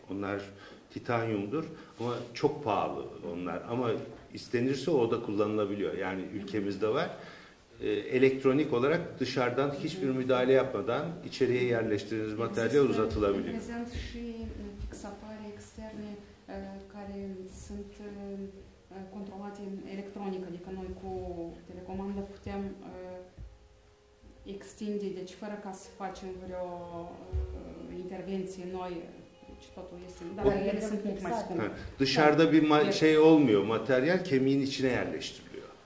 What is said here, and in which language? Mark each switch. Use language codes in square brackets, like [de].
[tr] Onlar titanyumdur ama çok pahalı onlar. Ama istenirse o da kullanılabiliyor. Yani ülkemizde var. Elektronik olarak dışarıdan hiçbir müdahale yapmadan içeriye yerleştirdiğiniz materyal uzatılabilir. [ro] Prezent și fixatoare externe care sunt controlate electronic, adică noi cu telecomandă putem extinde, deci fără ca să facem vreo intervenție noi. Totul este, dar ele sunt mult mai scumpe. [tr] Dışarıda bir şey olmuyor, materyal kemiğin içine yerleştiriliyor.